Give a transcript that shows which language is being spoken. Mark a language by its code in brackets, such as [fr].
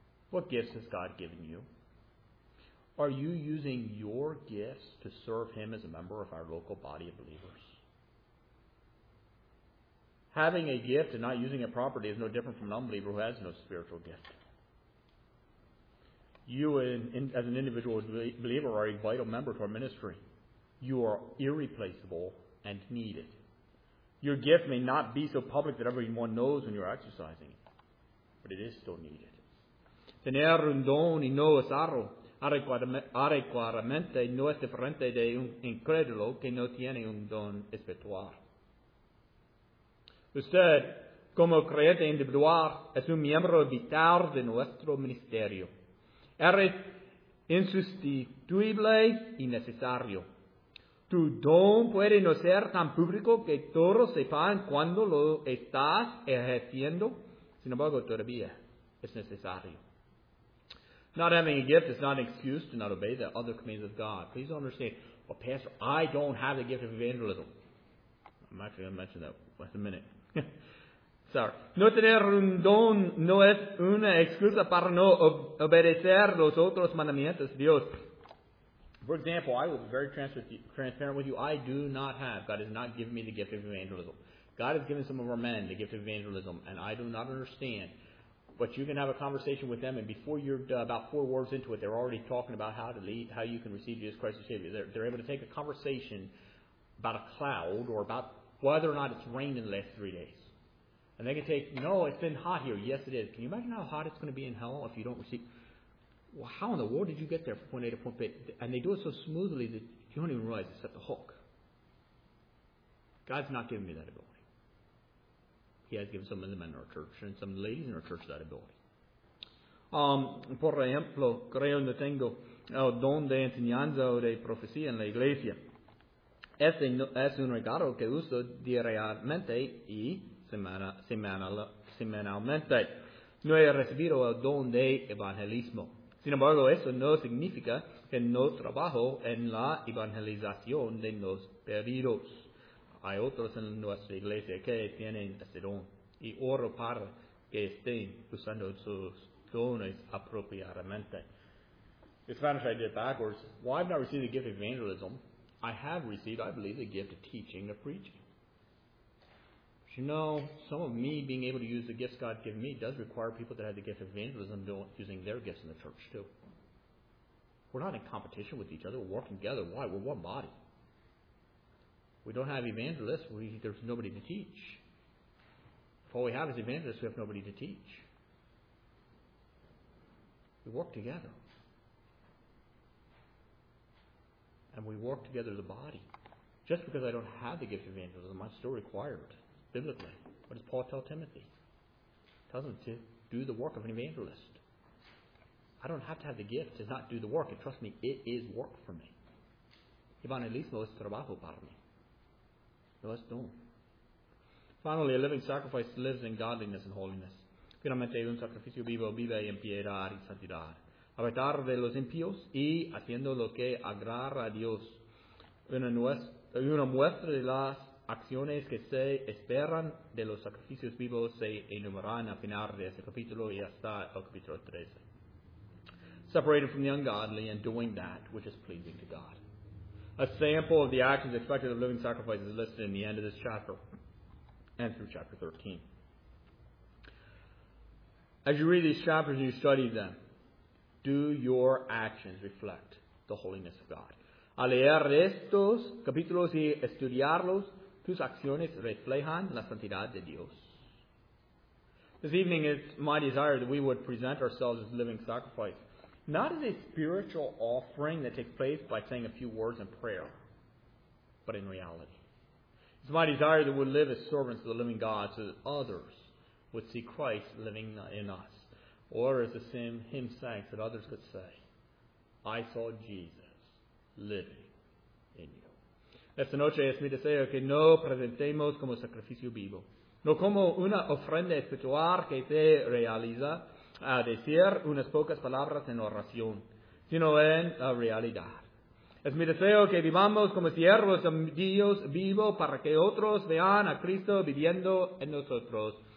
[en] What gifts has God given you? Are you using your gifts to serve Him as a member of our local body of believers? Having a gift and not using it properly is no different from an unbeliever who has no spiritual gift. You, as an individual believer, are a vital member to our ministry. You are irreplaceable and needed. Your gift may not be so public that everyone knows when you're exercising it, but it is still needed. [es] Tener un don y no usarlo adecuadamente no es diferente de un incrédulo que no tiene un don espiritual. Usted, como creyente individual, es un miembro vital de nuestro ministerio. Eres insustituible y necesario. Tu don puede no ser tan público que todos sepan cuando lo estás ejerciendo. Sin embargo, todavía es necesario. [en] Not having a gift is not an excuse to not obey the other commands of God. Please don't understand, well, Pastor, I don't have the gift of evangelism. I'm actually going to mention that in a minute. Sorry. [es] No tener un don no es una excusa para no obedecer los otros mandamientos de Dios. [en] For example, I will be very transparent with you. I do not have, God has not given me the gift of evangelism. God has given some of our men the gift of evangelism, and I do not understand. But you can have a conversation with them, and before you're about four words into it, they're already talking about how to lead, how you can receive Jesus Christ as Savior. They're able to take a conversation about a cloud or about whether or not it's rained in the last 3 days. And they can take, no, it's been hot here. Yes, it is. Can you imagine how hot it's going to be in hell if you don't receive? Well, how in the world did you get there from point A to point B? And they do it so smoothly that you don't even realize it's at the hook. God's not giving me that ability. He has given some of the men in our church and some of the ladies in our church that ability. [es] Por ejemplo, creo no tengo el don de enseñanza o de profecía en la iglesia. Este no, es un regalo que uso diariamente y semanalmente. No he recibido el don de evangelismo. Sin embargo, eso no significa que no trabajo en la evangelización de los perdidos. Hay otros en nuestra iglesia que tienen ese don y oro para que estén usando sus dones apropiadamente. [en] In Spanish, I did it backwards. Well, I've not received the gift of evangelism. I have received, I believe, the gift of teaching or preaching. But you know, some of me being able to use the gifts God gave me does require people that have the gift of evangelism using their gifts in the church too. We're not in competition with each other. We're working together. Why? We're one body. We don't have evangelists, there's nobody to teach. If all we have is evangelists, we have nobody to teach. We work together. And we work together as a body. Just because I don't have the gift of evangelism, I'm still required, biblically. What does Paul tell Timothy? He tells him to do the work of an evangelist. I don't have to have the gift to not do the work. And trust me, it is work for me. [es] Evangelismo es trabajo para mí. [en] Let's do it. Finally, a living sacrifice lives in godliness and holiness. [es] Finalmente, un sacrificio vivo vive en piedad y santidad. Habitar de los impíos y haciendo lo que agrada a Dios. Una muestra de las acciones que se esperan de los sacrificios vivos se enumeran al final de este capítulo y hasta el capítulo 13. [en] Separated from the ungodly and doing that which is pleasing to God. A sample of the actions expected of living sacrifice is listed in the end of this chapter and through chapter 13. As you read these chapters and you study them, do your actions reflect the holiness of God? [es] Al leer estos capítulos y estudiarlos, tus acciones reflejan la santidad de Dios. [en] This evening it's my desire that we would present ourselves as living sacrifice. Not as a spiritual offering that takes place by saying a few words in prayer, but in reality. It's my desire that we live as servants of the living God so that others would see Christ living in us. Or as the same hymn sang, that others could say, I saw Jesus living in you. [es] Esta noche es mi deseo que no presentemos como sacrificio vivo, no como una ofrenda espiritual que se realiza a decir unas pocas palabras en oración, sino en la realidad. Es mi deseo que vivamos como siervos de Dios vivo para que otros vean a Cristo viviendo en nosotros.